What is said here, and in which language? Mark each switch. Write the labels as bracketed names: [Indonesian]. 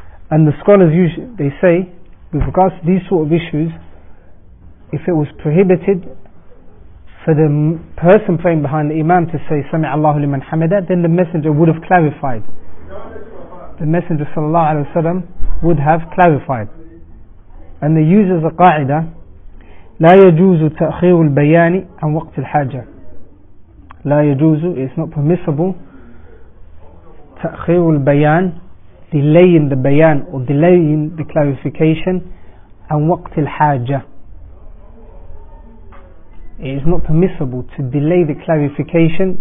[English] And the scholars usually, they say, with regards to these sort of issues, if it was prohibited for the person praying behind the imam to say [Arabic] سَمِعَ اللَّهُ لِمَنْ حَمَدَ, [English] then the Messenger would have clarified. The Messenger sallallahu alaihi wasallam would have clarified. And they use as a qa'ida, [Arabic] لَا يَجُوزُ تَأْخِيرُ الْبَيَانِ عَنْ وَقْتِ الْحَاجَةِ. لَا يَجُوزُ, [English] it's not permissible, [Arabic] تأخير البيان, [English] delaying the bayan or delaying the clarification, and [Arabic] وقت الحاجة, [English] it is not permissible to delay the clarification.